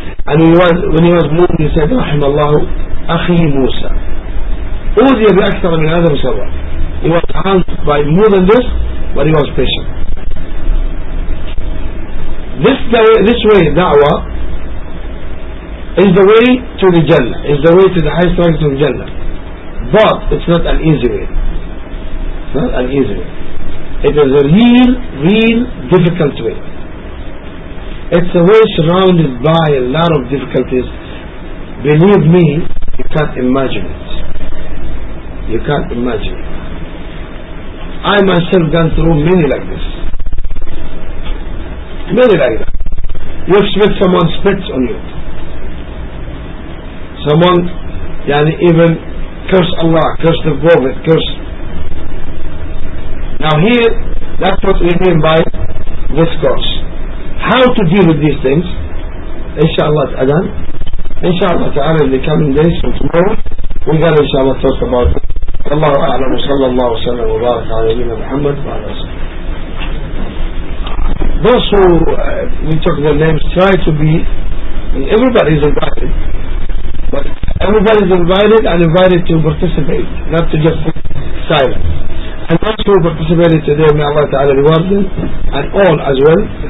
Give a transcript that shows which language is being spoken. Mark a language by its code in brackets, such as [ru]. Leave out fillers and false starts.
[en] And when he was moving, he said, [ar] رحم الله أخي موسى أولي بأكثر من هذا فصبر. [en] He was harmed by more than this, but he was patient. This way, da'wah, is the way to the Jannah, is the way to the highest rank of Jannah. But it's not an easy way. Not an easy way. It is a real, real difficult way. It's a way surrounded by a lot of difficulties. Believe me, you can't imagine it. You can't imagine it. I myself gone through many like this. Many like that. You've spit, someone spits on you. Someone, yani even curse Allah, curse the Prophet, curse. Now here, that's what we mean by this course. How to deal with these things? Inshallah, Adhan. Inshallah, Ta'ala, in the coming days from tomorrow, we're going to, inshallah, talk about it. [ar] الله أعلم وصلى الله وسلم وبارك على نبينا محمد وعلى آله وصحبه. [en] Those who we took their names try to be, everybody is invited, but everybody is invited and invited to participate, not to just sit silent. And those who participated today, may Allah Ta'ala reward them and all as well.